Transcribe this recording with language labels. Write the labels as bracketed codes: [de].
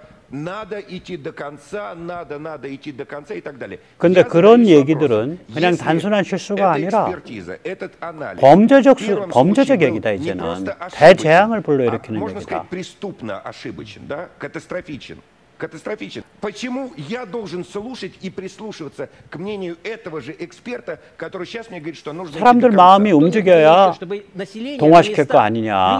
[ru] Надо идти до конца, надо идти до конца и так далее. [ko] 근데 그런 얘기들은 그냥 단순한 실수가 아니라 범죄적 얘기다 이제는 대재앙을 불러일으키는 얘기다. [ru] Преступно ошибочен, да? Катастрофичен. Катастрофичен. Почему я должен слушать и прислушиваться к мнению этого же эксперта, который сейчас мне говорит, что нужно идти до конца? [ko] 사람들 마음이 움직여야 동화시킬 거 아니냐.